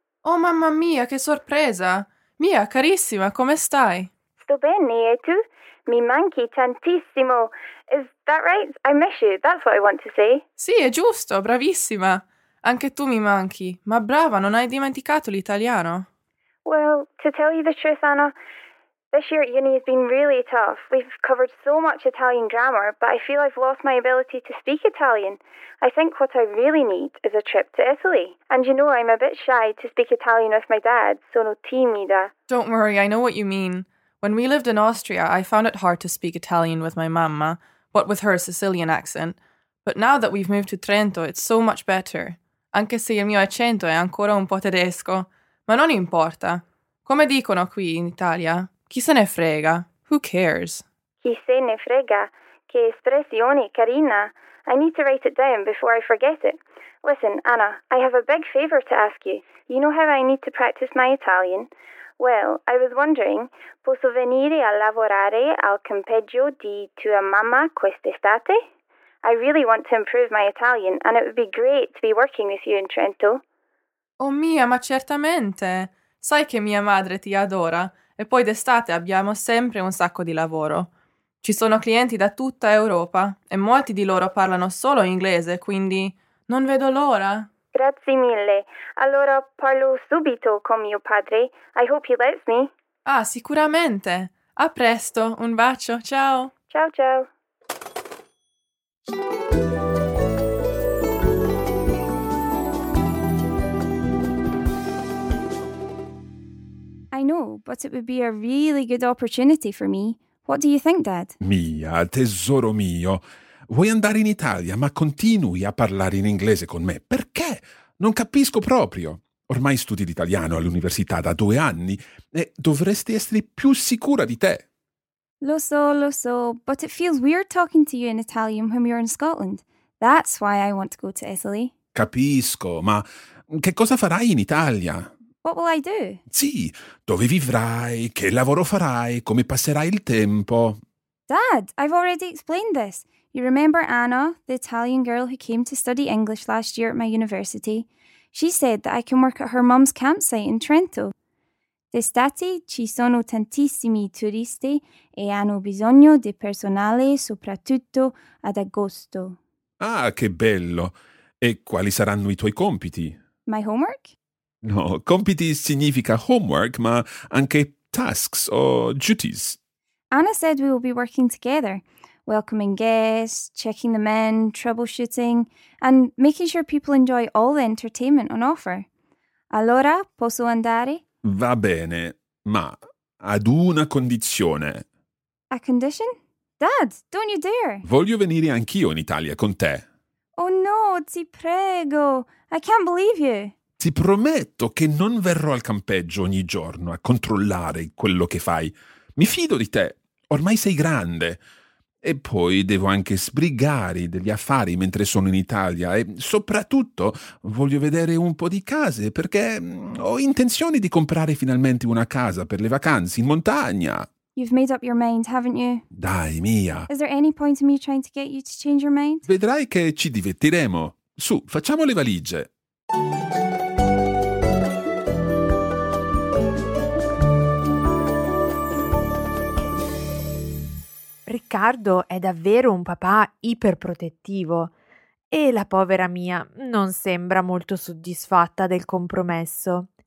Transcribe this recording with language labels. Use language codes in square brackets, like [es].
[it] Oh mamma mia, che sorpresa! Mia, carissima, come stai? Sto bene, e tu? Mi manchi tantissimo. [en] Is that right? I miss you. That's what I want to say. [it] Sì, è giusto. Bravissima. Anche tu mi manchi. Ma brava, non hai dimenticato l'italiano? [en] Well, to tell you the truth, Anna, this year at uni has been really tough. We've covered so much Italian grammar, but I feel I've lost my ability to speak Italian. I think what I really need is a trip to Italy. And you know, I'm a bit shy to speak Italian with my dad. [it] Sono timida. [en] Don't worry, I know what you mean. When we lived in Austria, I found it hard to speak Italian with my mamma, what with her Sicilian accent. But now that we've moved to Trento, it's so much better. [it] Anche se il mio accento è ancora un po' tedesco. Ma non importa. Come dicono qui in Italia? Chi se ne frega? [en] Who cares? [it] Chi se ne frega? Che espressione carina! [en] I need to write it down before I forget it. Listen, Anna, I have a big favor to ask you. You know how I need to practice my Italian? Well, I was wondering, [it] posso venire a lavorare al campeggio di tua mamma quest'estate? [en] I really want to improve my Italian, and it would be great to be working with you in Trento. [it] Oh mia, ma certamente! Sai che mia madre ti adora, e poi d'estate abbiamo sempre un sacco di lavoro. Ci sono clienti da tutta Europa, e molti di loro parlano solo inglese, quindi non vedo l'ora. Grazie mille. Allora parlo subito con mio padre. [en] I hope he lets me. [it] Ah, sicuramente. A presto. Un bacio. Ciao. Ciao, ciao. [en] I know, but it would be a really good opportunity for me. What do you think, Dad? [it] Mia, tesoro mio, vuoi andare in Italia, ma continui a parlare in inglese con me. Perché? Non capisco proprio. Ormai studi l'italiano all'università da 2 anni e dovresti essere più sicura di te. Lo so, [en] but it feels weird talking to you in Italian when we're in Scotland. That's why I want to go to Italy. [it] Capisco, ma che cosa farai in Italia? [en] What will I do? [it] Sì, dove vivrai, che lavoro farai, come passerai il tempo? [en] Dad, I've already explained this. You remember Anna, the Italian girl who came to study English last year at my university? She said that I can work at her mum's campsite in Trento. [it] D'estate ci sono tantissimi turisti e hanno bisogno di personale soprattutto ad agosto. Ah, che bello! E quali saranno i tuoi compiti? [en] My homework? [it] No, compiti significa homework, ma anche tasks o duties. [en] Anna said we will be working together, welcoming guests, checking them in, troubleshooting, and making sure people enjoy all the entertainment on offer. [it] Allora, posso andare? Va bene, ma ad una condizione. [en] A condition? Dad, don't you dare! [it] Voglio venire anch'io in Italia con te. [en] Oh no, [it] ti prego! [en] I can't believe you! [it] Ti prometto che non verrò al campeggio ogni giorno a controllare quello che fai. Mi fido di te, ormai sei grande. E poi devo anche sbrigare degli affari mentre sono in Italia e soprattutto voglio vedere un po' di case perché ho intenzione di comprare finalmente una casa per le vacanze in montagna. [en] You've made up your mind, haven't you? [it] Dai, Mia. [en] Is there any point in me trying to get you to change your mind? [it] Vedrai che ci divertiremo. Su, facciamo le valigie. Riccardo è davvero un papà iperprotettivo e la povera Mia non sembra molto soddisfatta del compromesso.